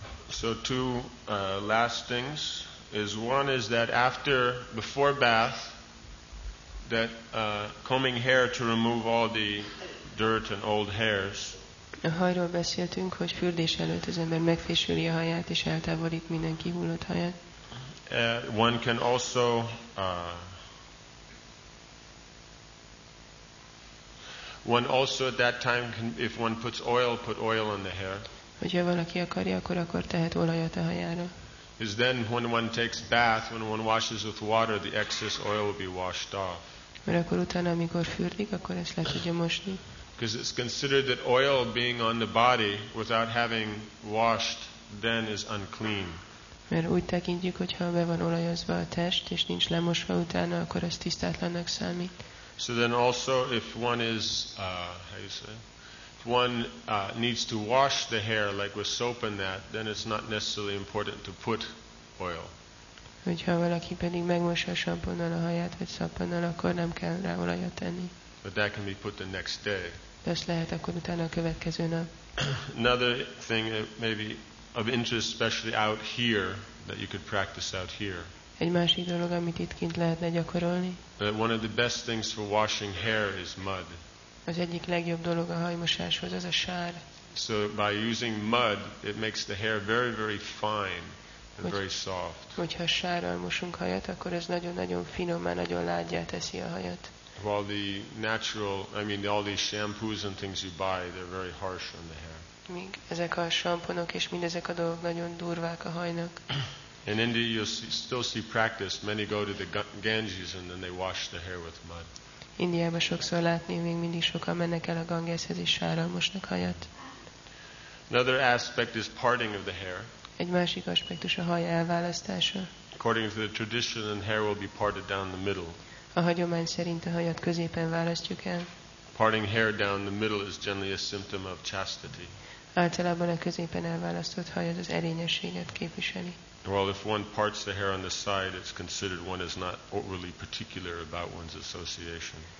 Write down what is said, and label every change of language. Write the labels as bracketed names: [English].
[English] So two last things is one is that before bath, that combing hair to remove all the dirt and old hairs. [Hungarian] A hajról beszéltünk, hogy fürdés előtt az ember megfésüli a haját és eltávolít minden kihullott haját. [English] One can also at that time, if one puts oil, put oil on the hair. [Hungarian] Hogyha valaki akarja, akkor tehet olajat a hajára. [English] Is then when one takes bath, when one washes with water, the excess oil will be washed off. [Hungarian] Mert akkor utána, amikor fürdik, akkor ezt le tudja mosni. [English] Because it's considered that oil being on the body without having washed then is unclean. [Hungarian] Mert úgy tekintjük, hogyha be van olajozva a test, és nincs lemosva utána, akkor ez tisztátlannak számít. [English] So then also if one is if one needs to wash the hair like with soap and that, then it's not necessarily important to put oil. [Hungarian] Hogyha valaki pedig megmossa a samponnal a haját vagy szappannal, akkor nem kell rá olajat tenni. [English] But that can be put the next day. [Hungarian] De azt lehet akkor utána a következő nap. [English] Another thing maybe of interest especially out here that you could practice out here. [Hungarian] Egy másik dolog, amit itt kint lehetne gyakorolni. [English] One of the best things for washing hair is mud. [Hungarian] Az egyik legjobb dolog a hajmosáshoz az a sár. [English] So by using mud, it makes the hair very, very fine and very soft. [Hungarian] Hogyha sárral mosunk hajat, akkor ez nagyon-nagyon finommá, nagyon lágyjá teszi a hajat. [English] While the natural, all these shampoos and things you buy, they're very harsh on the hair. [Hungarian] Míg ezek a samponok és mindezek a dolgok nagyon durvák a hajnak. [English] In India, you still see practice. Many go to the Ganges and then they wash their hair with mud. [Hungarian] Indiában sokszor látni, még mindig sokan mennek el a Gangeshez és sárral mosnak hajat. [English] Another aspect is parting of the hair. [Hungarian] Egy másik aspektus a haj elválasztása. [English] According to the tradition, the hair will be parted down the middle. [Hungarian] A hagyomány szerint a hajat középen választjuk el. [English] Parting hair down the middle is generally a symptom of chastity. [Hungarian] Általában a középen elválasztott haj az erényességet képviseli. [English] Well, if one parts the hair on the side, it's considered one is not overly particular about one's association.